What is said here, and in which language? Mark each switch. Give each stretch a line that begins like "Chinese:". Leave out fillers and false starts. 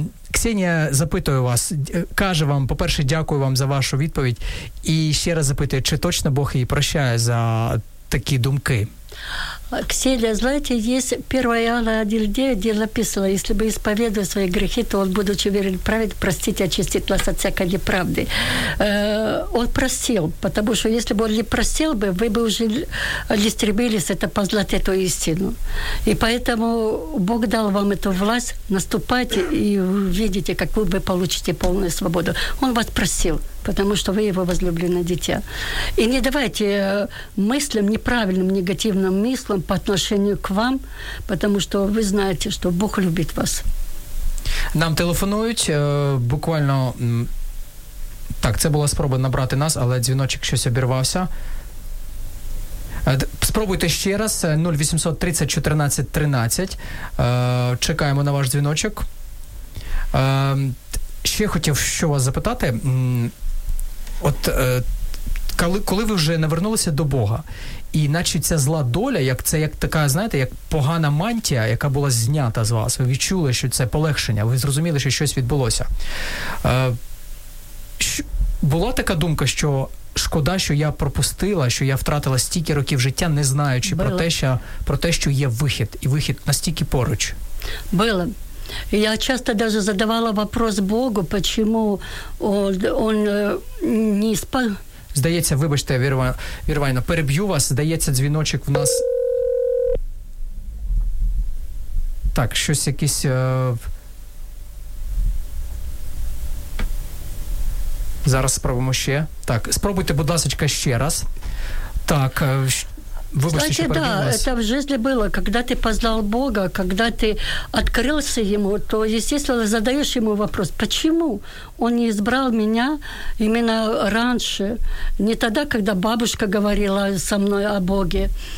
Ukrainian: Ксенія запитує вас, каже вам, по-перше, дякую вам за вашу відповідь. І ще раз запитує, чи точно Бог її прощає за такі думки?
Russian: Ксения, знаете, есть 1 Иоанна 1:9, где написано, если бы исповедуя свои грехи, то он, будучи верен правед, простит и очистит нас от всякой неправды. Он простил, потому что если бы он не простил бы, вы бы уже не стремились это познать эту истину. И поэтому Бог дал вам эту власть, наступайте и увидите, какую вы получите полную свободу. Он вас простил, потому что вы его возлюбленное дитя. И не давайте мыслям, неправильным, негативным мыслям по отношению к вам, потому что вы знаете, что Бог любит вас.
Ukrainian: Нам телефонуют, буквально... Так, це була спроба набрати нас, але дзвіночок щось обірвався. Спробуйте ще раз, 0800 30 14 13. Чекаємо на ваш дзвіночок. Ще хотів що вас запитати... От коли ви вже навернулися до Бога, і наче ця зла доля, як це як така, знаєте, як погана мантія, яка була знята з вас, ви відчули, що це полегшення, ви зрозуміли, що щось відбулося. Була така думка, що шкода, що я пропустила, що я втратила стільки років життя, не знаючи про те, що є вихід, і вихід настільки поруч. Було.
Russian: Я часто даже задавала вопрос Богу, почему он не спал.
Ukrainian: Здається, вибачте, Вірвайно, переб'ю вас, здається, дзвіночок в нас. Так, щось якесь... Зараз спробуємо ще. Так, спробуйте, будь ласка, ще раз. Так, Вибачте,
Russian: значит, да, это в жизни было, когда ты познал Бога, когда ты открылся Ему, то, естественно, задаешь Ему вопрос, почему Он не избрал меня именно раньше, не тогда, когда бабушка говорила со мной о Боге.